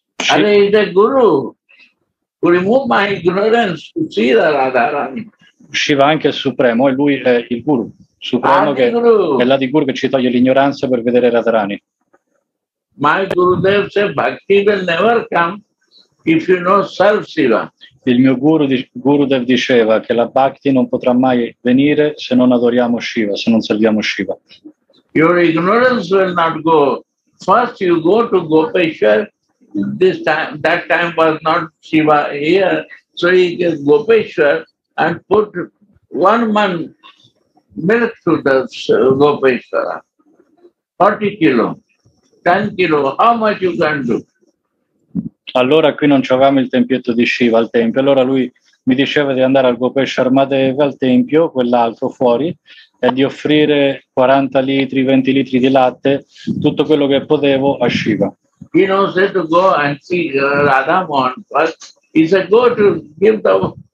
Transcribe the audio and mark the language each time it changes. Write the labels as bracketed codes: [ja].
[en] And he is the guru who removed my ignorance to see the Radharani. [it] Shiva anche è supremo e lui è il guru. Supremo che è l'Adiguru che ci toglie l'ignoranza per vedere Radharani. [en] My Gurudev says bhakti will never come if you know self Shiva. [it] Il mio guru Gurudev diceva che la bhakti non potrà mai venire se non adoriamo Shiva, se non serviamo Shiva. [en] Your ignorance will not go. First you go to Gopeshwar. This time, that time was not Shiva here, so he gets Gopeshwar and put one man. Milk to the Gopeshwara, 40 kilo, 10 kilo, how much you can do? [it] Allora qui non c'avevamo il tempietto di Shiva al tempio, allora lui mi diceva di andare al Gopeshwar Mahadev al tempio, quell'altro fuori, e di offrire 40 litri, 20 litri di latte, tutto quello che potevo a Shiva. [en] He knows to go and see Radha Mohan, but he said go to give the...